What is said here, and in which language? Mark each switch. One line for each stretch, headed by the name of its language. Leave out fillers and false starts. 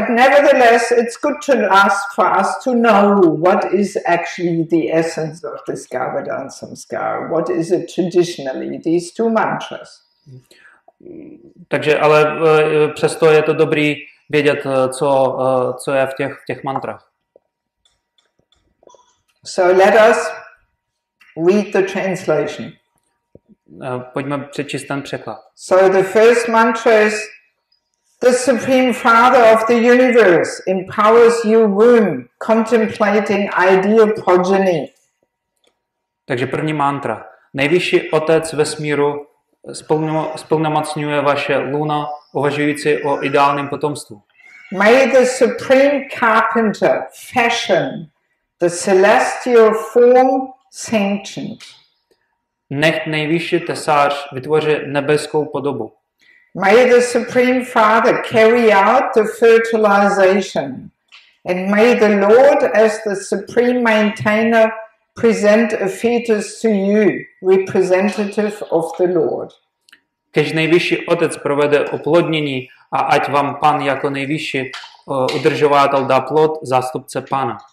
English: But nevertheless, it's good to ask for us to know what is actually the essence of this Gavadan Samskara. What is it traditionally, these two mantras.
Czech: Takže, ale přesto je to dobrý vědět, co je v těch mantrách.
English: So let us read the translation.
Czech: Pojďme přečíst ten překlad.
English: So the first mantra is the Supreme Father of the universe empowers your womb contemplating ideal progeny.
Czech: Takže první mantra. Nejvyšší otec vesmíru splnomocňuje vaše luna uvažující o ideálním potomstvu.
English: May the Supreme Carpenter fashion the celestial form sentient.
Czech: Nech nejvyšší tesář vytvoří nebeskou podobu.
English: May the Supreme Father carry out the fertilization and may the Lord as the Supreme Maintainer present a fetus to you, representative of the Lord.
Czech: Kež nejvyšší otec provede oplodnění a ať vám pan jako nejvyšší udržovatel dá plod, zástupce pana.